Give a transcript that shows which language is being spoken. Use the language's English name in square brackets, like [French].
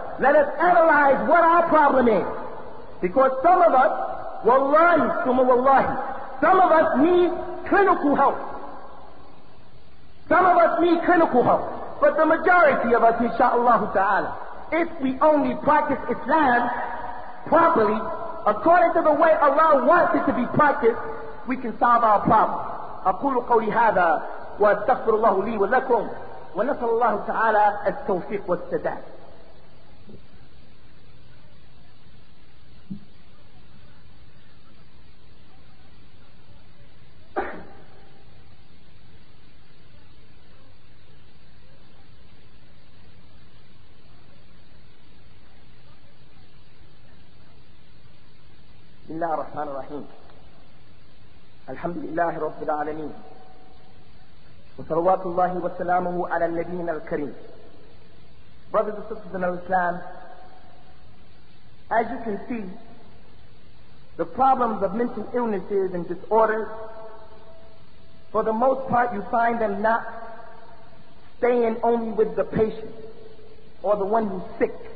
[English] Let us analyze what our problem is. Because some of us, wallahi, summa wallahi, some of us need clinical help. Some of us need clinical help. But the majority of us, inshaAllah ta'ala, if we only practice Islam properly, according to the way Allah wants it to be practiced, we can solve our problem. [Arabic] أقول قولي هذا وأستغفر الله لي ولكم ونسأل الله تعالى التوفيق والسداد. بسم الله الرحمن الرحيم. الحمد لله رب العالمين، وصلوات الله وسلامه على النبينا الكريم. [English] Brothers and sisters in Islam, as you can see, the problems of mental illnesses and disorders, for the most part, you find them not staying only with the patient or the one who's sick.